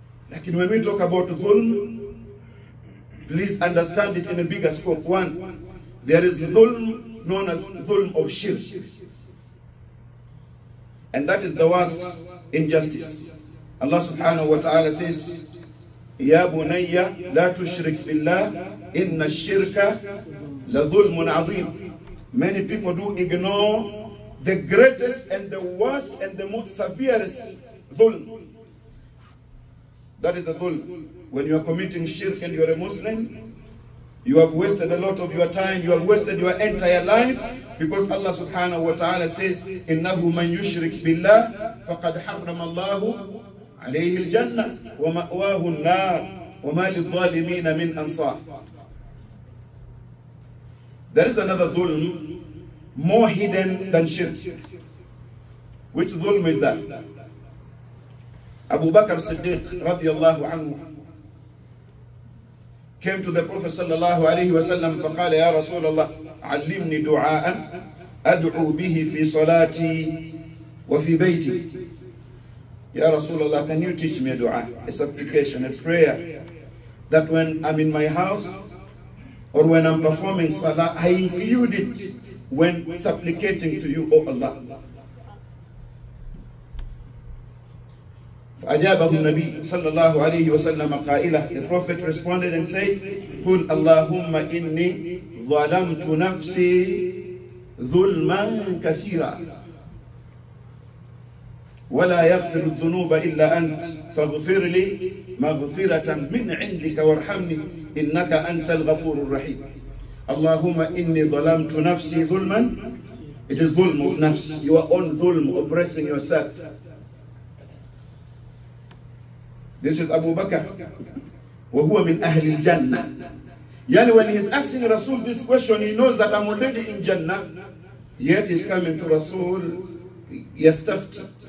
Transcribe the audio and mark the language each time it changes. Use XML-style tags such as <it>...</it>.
<en>Like when we talk about dhulm, please understand it in a bigger scope. One, there is dhulm known as dhulm of shirk. And that is the worst injustice. Allah subhanahu wa ta'ala says,</en> <ar>يَا بُنَيَّ لَا تُشْرِكْ بِاللَّهِ إِنَّ الشِّرْكَ لَظُلْمٌ عَظِيمٌ.</ar> <en>Many people do ignore the greatest and the worst and the most severest dhulm. That is a dhulm. When you are committing shirk and you are a Muslim, you have wasted a lot of your time, you have wasted your entire life, because Allah subhanahu wa ta'ala says,</en> <ar>إِنَّهُ مَنْ يُشْرِكْ بِاللَّهِ فَقَدْ حَرَّمَ اللَّهُ عليه الجنة ومأواه النار وما للظالمين من أنصار.</ar> <en>There is another ظلم more hidden than shirk. Which ظلم is that?</en> <ar>Abu Bakr Siddiq رضي الله عنه</ar> <en>came to the Prophet</en> <ar>صلى الله عليه وسلم فقال يا رسول الله علمني دعاء أدعو به في صلاتي وفي بيتي.</ar> <en>Ya Rasulullah, can you teach me a dua, a supplication, a prayer, that when I'm in my house or when I'm performing salah, I include it when supplicating to you, O Allah.</en> <ar>فَأَجَابَهُ النَّبِيُّ صلى الله عليه وسلم قائلا.</ar> <en>The Prophet responded and said,</en> <ar>قُلْ اللَّهُمَّ إِنِّي ظَلَمْتُ نَفْسِي ظُلْمًا كَثِيرًا وَلَا يَغْفِرُ الذُّنُوبَ إِلَّا أَنْتَ فَغْفِرْ لِي مَغْفِرَةً مِنْ عِنْدِكَ وَارْحَمْنِي إِنَّكَ أَنْتَ الْغَفُورُ الرَّحِيمُ. Allahumma inni zalamtu nafsi dhulman.</ar> <en>It is dhulm of nafs, your own dhulm, oppressing yourself. This is Abu Bakr.</en> <ar>وَهُوَ مِنْ أَهْلِ الْجَنَّةِ.</ar> <en>Yani when he's asking Rasul this question, he knows that I'm already in Jannah, yet he's coming to Rasul, yastafti.</en>